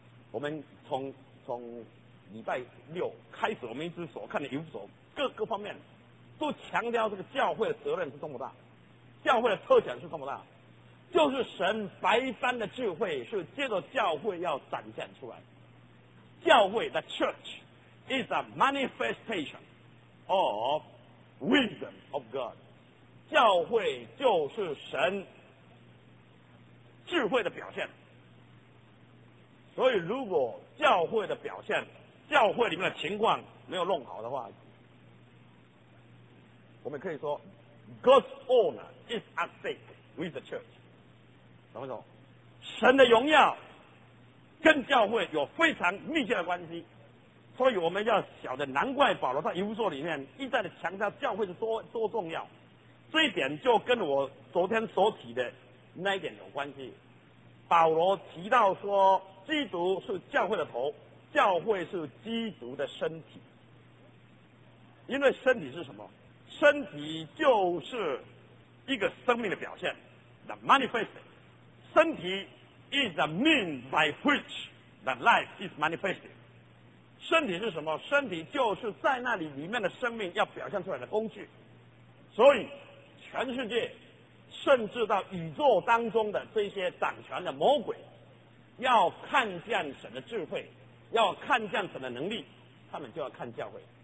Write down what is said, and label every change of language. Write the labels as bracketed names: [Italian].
[Chinese] 我们从礼拜六开始，我们一直所看的有所各方面都强调这个教会的责任是多么大，教会的特权是多么大，就是神百般的智慧是借着教会要展现出来。教会 [English] the church is a manifestation of wisdom of God， [Chinese] 教会就是神智慧的表现。所以如果教会的表现，教会里面的情况没有弄好的话，我们可以说 [English] God's honor is at stake with the church。 [Chinese] 怎么说？神的荣耀跟教会有非常密切的关系。所以我们要晓得，难怪保罗在以弗所里面一再的强调教会是 多重要。这一点就跟我昨天所提的那一点有关系。保罗提到说，基督是教会的头，教会是基督的身体。因为身体是什么？身体就是一个生命的表现 ， [English] the manifest。 [Chinese] 身体 [English] is the means by which the life is manifested。 [Chinese] 身体是什么？身体就是在那里面的生命要表现出来的工具。所以，全世界，甚至到宇宙当中的这些掌权的魔鬼，要看见神的智慧，要看见神的能力，他们就要看教会。